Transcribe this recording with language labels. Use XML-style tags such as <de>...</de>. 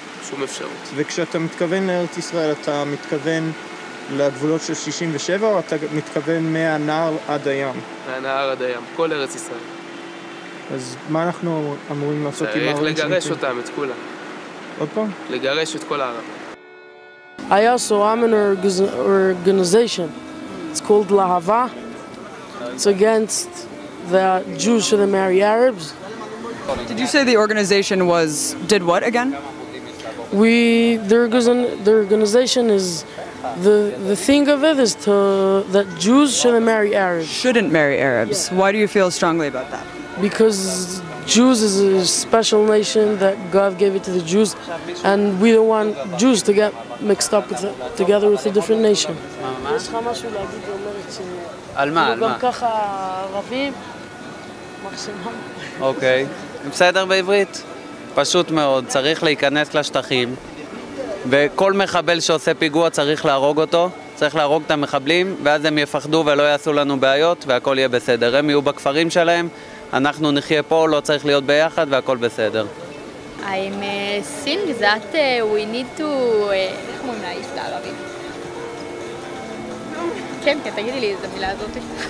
<he>שום אפשרות. וכשאתה מתכוון לארץ ישראל, אתה מתכוון לגבולות של 67, או אתה מתכוון מהנער עד הים? מהנער עד הים, כל ארץ ישראל. אז מה אנחנו אמורים לעשות עם הערבים? צריך לגרש אותם, את כולם. עוד פעם? לגרש את כל הערבים.</he> <en>I also, I'm in an organization, it's called Lahava, it's against the Jews who marry Arabs. Did you say the organization was, did what again? We, the organization is, the thing of it is to, that Jews shouldn't marry Arabs. Shouldn't marry Arabs, why do you feel strongly about that? Because Jews is a special nation that God gave it to the Jews, and we don't want Jews to get mixed up with it, together with a different nation.</en> <he>יש לך משהו להגיד ואומרת ש... על מה, על מה? גם ככה ערבים, מחשימה. אוקיי, בסדר בעברית? פשוט מאוד, צריך להיכנס לשטחים, וכל מחבל שעושה פיגוע צריך להרוג אותו, צריך להרוג את המחבלים, ואז הם יפחדו ולא יעשו לנו בעיות, והכל יהיה בסדר. הם יהיו בכפרים שלהם, אנחנו נחיה פה, לא צריך להיות ביחד והכל בסדר.</he> <en>I'm seeing that we need to...</en> <he>איך אומרים לה, איסת הערבית? כן, כן, תגידי לי איזה מילה הזאת.</he>